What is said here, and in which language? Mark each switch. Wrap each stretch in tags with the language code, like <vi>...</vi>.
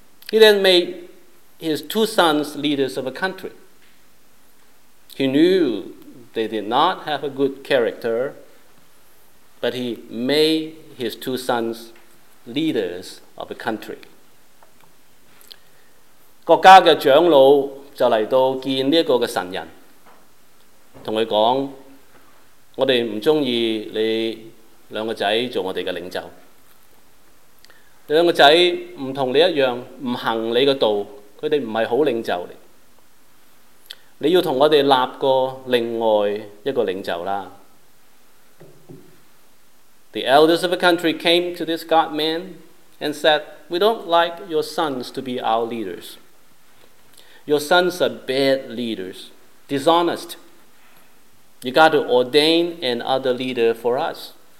<en>He then made his two sons leaders of a country. He knew they did not have a good character, but he made his two sons leaders of the country.</en> <zh>国家的长老就来到见这个神人，跟他说：我们不喜欢你两个仔做我们的领袖，你两个仔不跟你一样，不行你的道，他们不是好领袖，你要同我哋立个另外一个领袖啦。</zh> <en>The elders of the country came to this God man and said, "We don't like your sons to be our leaders. Your sons are bad leaders, dishonest. You got to ordain another leader for us."</en>